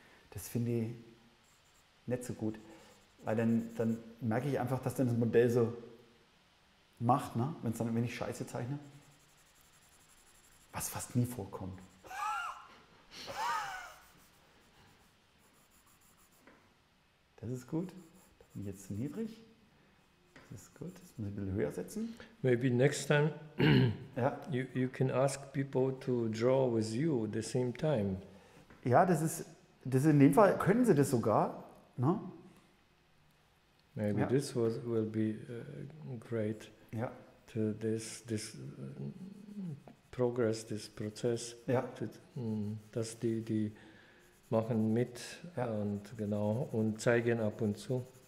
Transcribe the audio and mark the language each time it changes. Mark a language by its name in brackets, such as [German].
[German] Das finde ich nicht so gut, weil dann merke ich einfach, dass dann das Modell so macht, ne? Wenn's dann, wenn ich Scheiße zeichne, was fast nie vorkommt. Das ist gut, da bin ich jetzt zu niedrig. Das ist gut, das muss ich ein bisschen höher setzen. [English] Maybe next time you can ask people to draw with you at the same time. [German] Ja, das ist in dem Fall, können sie das sogar, ne? [English] Maybe this will be great. [German] Ja. [English] To this progress, this process. [German] Ja. Dass die machen mit, ja. Und genau, und zeigen ab und zu.